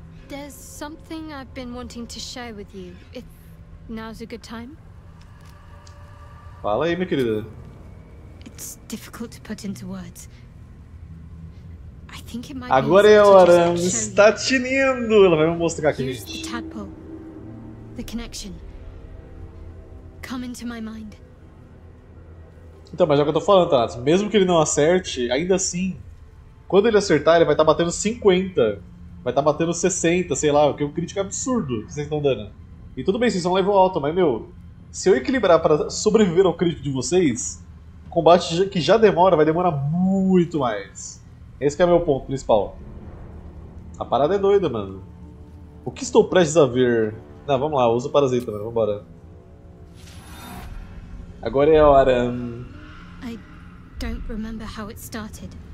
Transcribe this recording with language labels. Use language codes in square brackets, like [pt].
[pt] Há algo que eu queria compartilhar com você, se agora é um bom tempo. Fala aí, minha querida. É difícil de colocar em palavras. Agora é a hora, está tinindo! Ela vai me mostrar aqui. [en] Use the tadpole, the connection. Come into my mind. [pt] Então, mas é o que eu tô falando, Thanatos. Mesmo que ele não acerte, ainda assim, quando ele acertar, ele vai estar tá batendo 50, vai estar tá batendo 60, sei lá, que é um crítico absurdo que vocês estão dando. E tudo bem, vocês são level alto, mas, meu, se eu equilibrar pra sobreviver ao crítico de vocês, o combate que já demora, vai demorar muito mais. Esse que é o meu ponto principal. A parada é doida, mano. O que estou prestes a ver? Não, vamos lá, usa o parasita, mano, vambora. Agora é a hora. [en] I don't remember how it started.